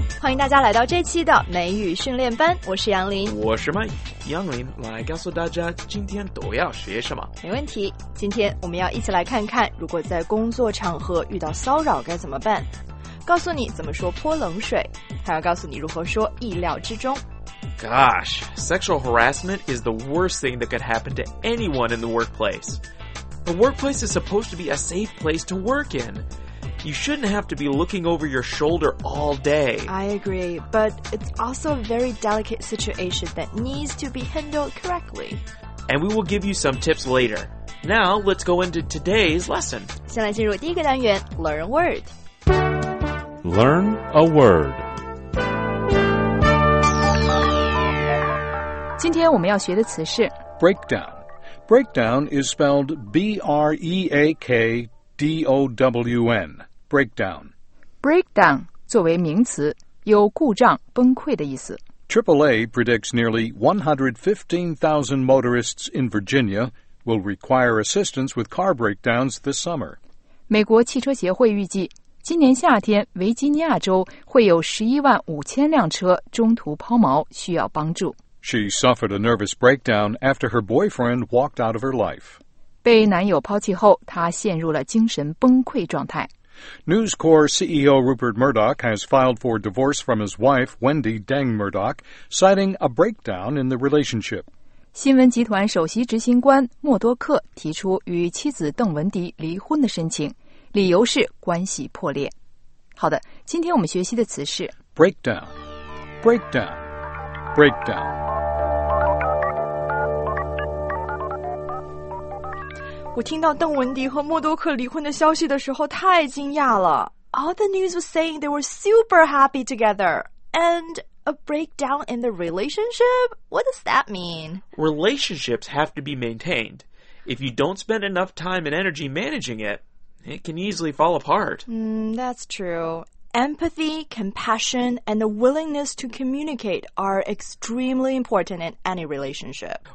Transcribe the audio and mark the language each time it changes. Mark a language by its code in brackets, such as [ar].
[zh] 迎大家来到这期的美语训练班，我是杨林。我是麦杨林，来告诉大家今天都要学什么。没问题，今天我们要一起来看看如果在工作场合遇到骚扰该怎么办，告诉你怎么说泼冷水，还要告诉你如何说意料之中。 [en] Gosh, sexual harassment is the worst thing that could happen to anyone in the workplace. The workplace is supposed to be a safe place to work in. You shouldn't have to be looking over your shoulder all day. I agree, but it's also a very delicate situation that needs to be handled correctly. And we will give you some tips later. Now, let's go into today's lesson. [zh] 先来进入第一个单元 Learn Word. [en] Learn a word. [zh] 今天我们要学的词是 [en] breakdown. Breakdown is spelled B-R-E-A-K-D-O-W-N. Breakdown. [zh] Breakdown 作为名词，有故障、崩溃的意思。 [en] AAA predicts nearly 115,000 motorists in Virginia will require assistance with car breakdowns this summer. [zh] 美国汽车协会预计，今年夏天维吉尼亚州会有115,000辆车中途抛锚，需要帮助。 [en] She suffered a nervous breakdown after her boyfriend walked out of her life. [zh] 被男友抛弃后，她陷入了精神崩溃状态。 [en] News Corp CEO Rupert Murdoch has filed for divorce from his wife, Wendy Deng Murdoch, citing a breakdown in the relationship. [zh] 新闻集团首席执行官默多克提出与妻子邓文迪离婚的申请，理由是关系破裂。好的，今天我们学习的词是 [en] breakdown, breakdown. Breakdown. [zh] 我听到邓文迪和默多克离婚的消息的时候太惊讶了。 [en] All the news was saying they were super happy together. And a breakdown in the relationship? What does that mean? Relationships have to be maintained. If you don't spend enough time and energy managing it, it can easily fall apart. That's true. Empathy, compassion, and a willingness to communicate are extremely important in any relationship.